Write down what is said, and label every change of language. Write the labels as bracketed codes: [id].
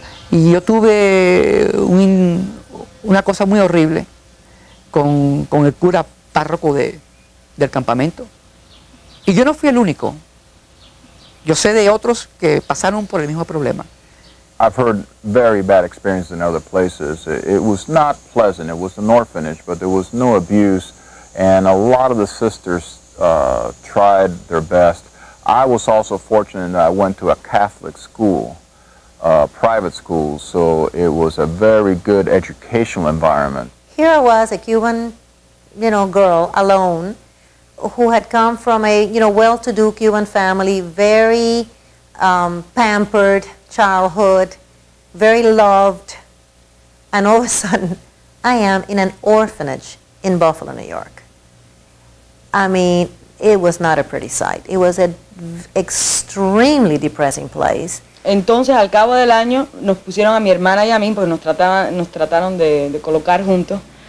[es] Y yo tuve una cosa muy horrible con el cura párroco del campamento. Y yo no fui el único. Yo sé de otros que pasaron por el mismo problema. [en] I've heard very bad experiences in other places. It was not pleasant. It was an orphanage, but there was no abuse. And a lot of the sisters tried their best. I was also fortunate that I went to a Catholic school, private school, so it was a very good educational environment. Here I was, a Cuban, you know, girl, alone, who had come from a, you know, well-to-do Cuban family, very pampered childhood, very loved, and all of a sudden, I am in an orphanage in Buffalo, New York. I mean, it was not a pretty sight. It was an extremely depressing place. [es] Entonces, al cabo del año, nos pusieron a mi hermana y a mí, porque nos trataron de colocar juntos,